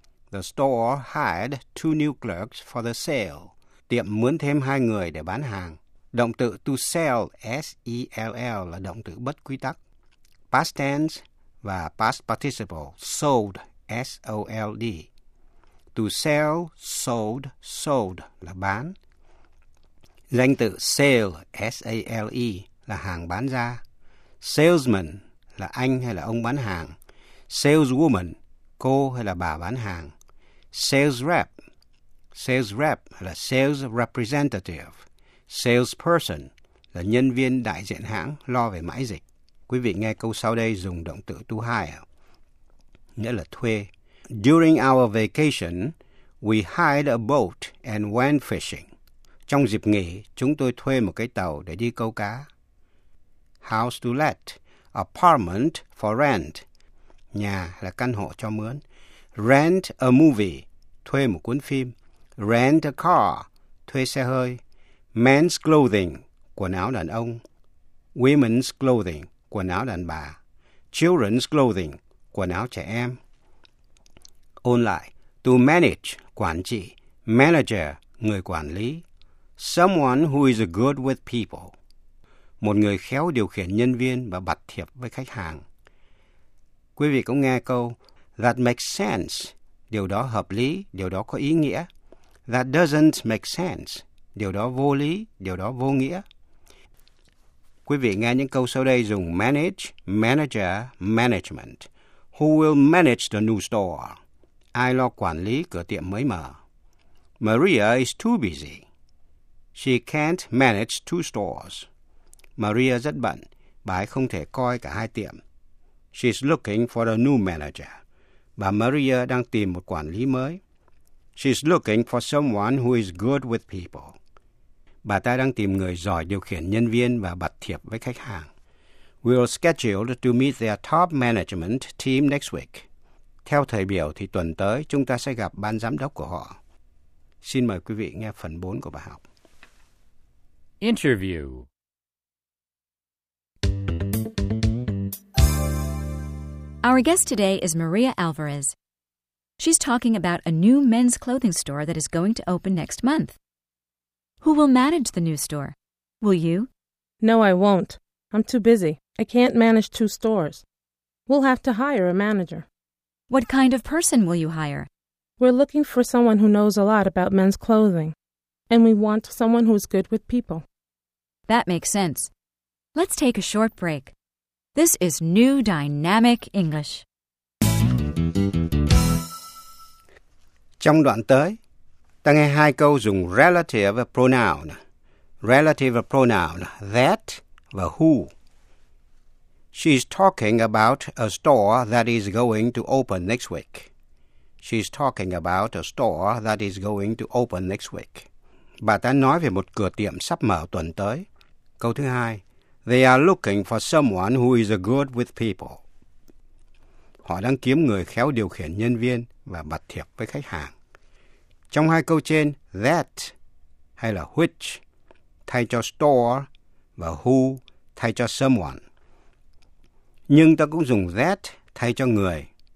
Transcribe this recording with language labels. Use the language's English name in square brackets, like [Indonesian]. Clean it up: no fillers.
[English] The store hired 2 new clerks for the sale. [Vietnamese] Tiệm mướn thêm 2 người để bán hàng. Động từ to sell, S-E-L-L, là động từ bất quy tắc. Past tense và past participle, sold, S-O-L-D. To sell, sold, sold là bán. Danh từ sale, S-A-L-E, là hàng bán ra. Salesman là anh hay là ông bán hàng. Saleswoman, cô hay là bà bán hàng. Sales rep là sales representative. Salesperson là nhân viên đại diện hãng lo về mãi dịch. Quý vị nghe câu sau đây dùng động từ to hire, nghĩa là thuê. [English] During our vacation, we hired a boat and went fishing. [Vietnamese] Trong dịp nghỉ, chúng tôi thuê một cái tàu để đi câu cá. [English] House to let, apartment for rent, [Vietnamese] nhà là căn hộ cho mướn. [English] Rent a movie, [Vietnamese] thuê một cuốn phim. [English] Rent a car, [Vietnamese] thuê xe hơi. [English] Men's clothing, [Vietnamese] quần áo đàn ông. [English] Women's clothing, [Vietnamese] quần áo đàn bà. [English] Children's clothing, [Vietnamese] quần áo trẻ em. Ôn lại, to manage, quản trị. Manager, người quản lý. [English] Someone who is good with people. [Vietnamese] Một người khéo điều khiển nhân viên và bắt thiệp với khách hàng. Quý vị cũng nghe câu, [English] that makes sense. [Vietnamese] Điều đó hợp lý, điều đó có ý nghĩa. [English] That doesn't make sense. [Vietnamese] Điều đó vô lý, điều đó vô nghĩa. Quý vị nghe những câu sau đây dùng manage, manager, management. [English] Who will manage the new store? [Vietnamese] Ai lo quản lý cửa tiệm mới mở? [English] Maria is too busy. She can't manage two stores. [Vietnamese] Maria rất bận, bà ấy không thể coi cả hai tiệm. [English] She's looking for a new manager. [Vietnamese] Bà Maria đang tìm một quản lý mới. [English] She's looking for someone who is good with people. [Vietnamese] Bà ta đang tìm người giỏi điều khiển nhân viên và bắt thiệp với khách hàng. [English] We'll schedule to meet their top management team next week. [Vietnamese] Theo thời biểu thì tuần tới chúng ta sẽ gặp ban giám đốc của họ. Xin mời quý vị nghe phần 4 của bài học. [English] Interview. Our guest today is Maria Alvarez. She's talking about a new men's clothing store that is going to open next month. Who will manage the new store? Will you? No, I won't. I'm too busy. I can't manage two stores. We'll have to hire a manager. What kind of person will you hire? We're looking for someone who knows a lot about men's clothing. And we want someone who's good with people. That makes sense. Let's take a short break. This is New Dynamic English. [Vietnamese] Trong đoạn tới, ta nghe hai câu dùng relative pronoun. Relative pronoun, that và who. [English] She's talking about a store that is going to open next week. She's talking about a store that is going to open next week. [Vietnamese] Bà ta nói về một cửa tiệm sắp mở tuần tới. Câu thứ hai, [English] they are looking for someone who is good with people. [Vietnamese] Họ đang kiếm người khéo điều khiển nhân viên và bắt thiệp với khách hàng. Trong hai câu trên, that hay là which thay cho store và who thay cho someone. Nhưng ta cũng dùng that thay cho người.